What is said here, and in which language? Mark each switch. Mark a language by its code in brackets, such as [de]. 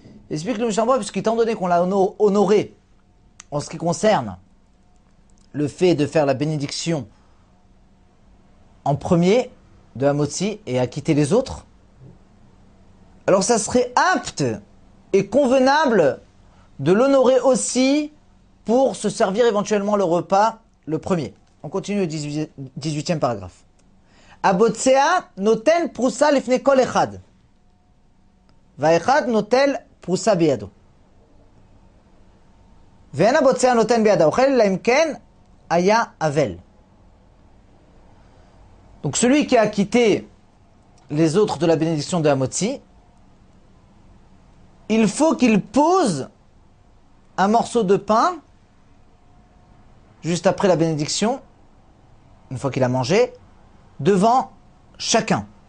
[fr] Explique le Mishnah Berurah, puisqu'étant donné qu'on l'a honoré en ce qui concerne le fait de faire la bénédiction en premier de Amotzi et acquitter les autres, alors ça serait apte et convenable de l'honorer aussi pour se servir éventuellement le repas le premier. On continue au 18e paragraphe. [he] Abotzea noten prusa lifne kol echad. Va'echad notel פרוסה בידו. ואין הבוצע נותן ביד האוכל, אלא אם כן היה אבל. [fr] Donc celui qui a quitté les autres de la bénédiction de Amotzi, il faut qu'il pose un morceau de pain juste après la bénédiction, une fois qu'il a mangé, devant chacun.